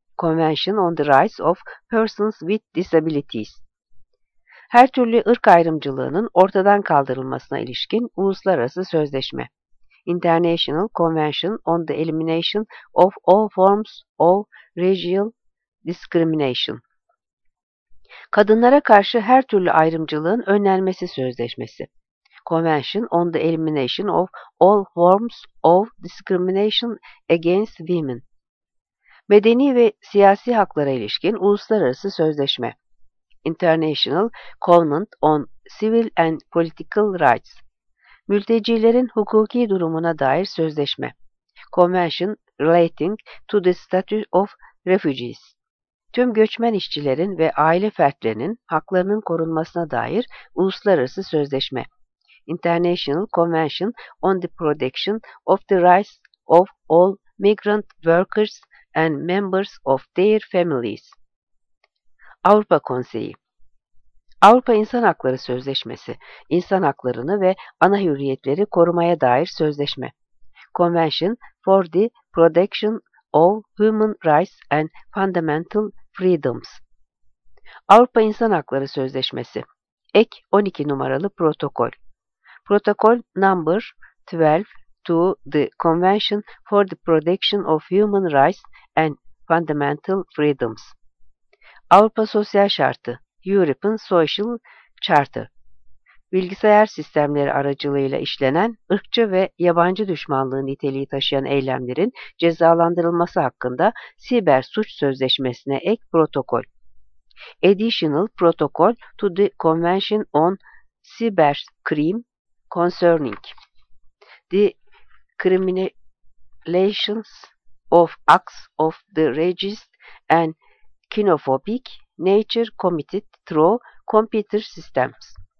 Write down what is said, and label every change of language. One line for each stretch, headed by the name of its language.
English: Convention on the Rights of Persons with Disabilities.
Turkish: Her türlü ırk ayrımcılığının ortadan kaldırılmasına ilişkin uluslararası sözleşme.
English: International Convention on the Elimination of All Forms of Racial Discrimination.
Turkish: Kadınlara karşı her türlü ayrımcılığın önlenmesi sözleşmesi.
English: Convention on the Elimination of All Forms of Discrimination Against Women.
Turkish: Medeni ve siyasi haklara ilişkin uluslararası sözleşme.
English: International Covenant on Civil and Political Rights.
Turkish: Mültecilerin hukuki durumuna dair sözleşme.
English: Convention relating to the status of refugees.
Turkish: Tüm göçmen işçilerin ve aile fertlerinin haklarının korunmasına dair uluslararası sözleşme.
English: International Convention on the Protection of the Rights of All Migrant Workers and Members of Their Families.
Turkish: Avrupa Konseyi. Avrupa İnsan Hakları Sözleşmesi, insan haklarını ve ana hürriyetleri korumaya dair sözleşme.
English: Convention for the Protection of Human Rights and Fundamental Freedoms.
Turkish: Avrupa İnsan Hakları Sözleşmesi, ek 12 numaralı protokol.
English: Protocol number 12 to the Convention for the Protection of Human Rights and Fundamental Freedoms.
Turkish: Avrupa Sosyal Şartı.
English: European Social Charter.
Turkish: Bilgisayar sistemleri aracılığıyla işlenen ırkçı ve yabancı düşmanlığı niteliği taşıyan eylemlerin cezalandırılması hakkında Siber Suç Sözleşmesi'ne ek protokol.
English: Additional Protocol to the Convention on Cyber Crime Concerning the Criminalization of Acts of the Racist and Xenophobic Nature Committed Through Computer Systems.